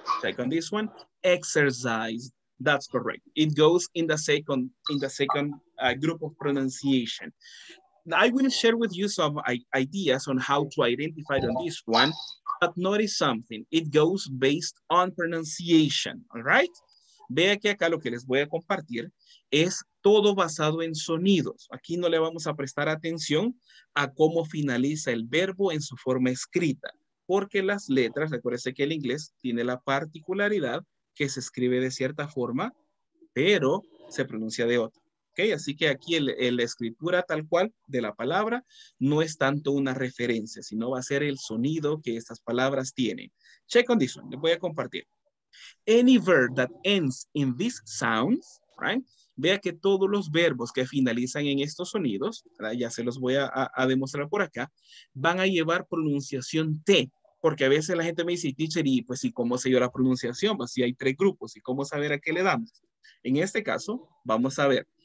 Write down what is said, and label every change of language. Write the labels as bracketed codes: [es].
[en] Second. This one, exercised. That's correct. It goes in the second group of pronunciation. I will share with you some ideas on how to identify on this one. But notice something, it goes based on pronunciation, all right? [es] Vea que acá lo que les voy a compartir es todo basado en sonidos. Aquí no le vamos a prestar atención a cómo finaliza el verbo en su forma escrita, porque las letras, recuérdese que el inglés tiene la particularidad que se escribe de cierta forma, pero se pronuncia de otra, ¿ok? Okay, así que aquí la escritura tal cual de la palabra no es tanto una referencia, sino va a ser el sonido que estas palabras tienen. [en] Check on this one. [es] Les voy a compartir. [en] Any verb that ends in these sounds, right? [es] Vea que todos los verbos que finalizan en estos sonidos, ¿verdad? Ya se los voy a demostrar por acá, van a llevar pronunciación T. Porque a veces la gente me dice, teacher, ¿y pues y cómo sé yo la pronunciación? Pues si hay tres grupos, ¿y cómo saber a qué le damos? En este caso, vamos a ver.